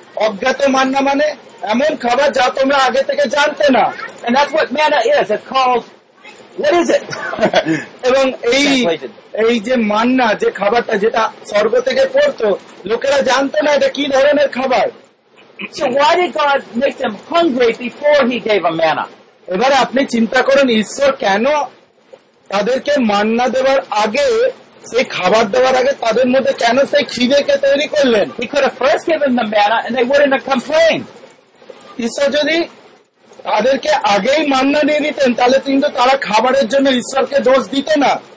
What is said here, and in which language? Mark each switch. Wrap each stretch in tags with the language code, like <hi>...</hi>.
<bn>অজ্ঞাত মান্না মানে এমন খাবার যা তোমরা আগে থেকে জানতে না.</bn> <en>And that's what manna is. It's called, what is it?</en> <bn>এবং এই এই যে মান্না যে খাবারটা যেটা স্বর্গ থেকে পড়তো, লোকেরা জানতো না এটা কি ধরনের খাবার.</bn> <en>So why did God make them hungry before he gave them manna?</en> <bn>এবারে আপনি চিন্তা করেন, ঈশ্বর কেন তাদেরকে মান্না দেওয়ার আগে, সেই খাবার দেওয়ার আগে তাদের মধ্যে কেন সেই খিদেকে তৈরি করলেন?</bn> <en>He could have first given them manna and they wouldn't have complained.</en> <bn>ঈশ্বর যদি তাদেরকে আগেই মান্না দিয়ে দিতেন, তাহলে কিন্তু তারা খাবারের জন্য ঈশ্বরকে দোষ দিত না.</bn>